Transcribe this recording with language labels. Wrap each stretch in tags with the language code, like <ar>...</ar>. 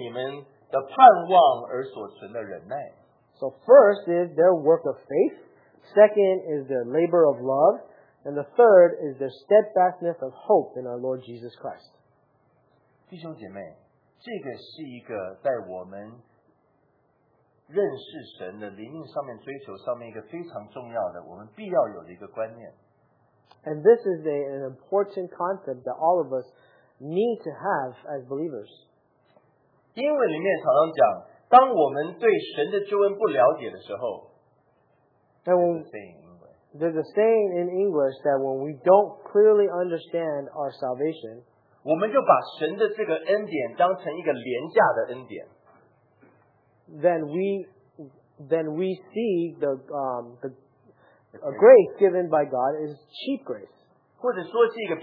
<zh>因为你信心所做的功夫，因为你爱心所受的劳苦，和因为你们的盼望而所存的忍耐。</zh> <en>So first is their work of faith. Second is their labor of love. And the third is the steadfastness of hope in our Lord Jesus Christ.</en> <zh>弟兄姐妹，这个是一个在我们认识神的灵命上面追求上面一个非常重要的，我们必要有的一个观念。</zh> <en>And this is an important concept that all of us need to have as believers.</en> <zh>英文里面常常讲，当我们对神的救恩不了解的时候。</zh> <en>There's a saying in English that when we don't clearly understand our salvation, then we see the grace given by God is cheap grace.</en>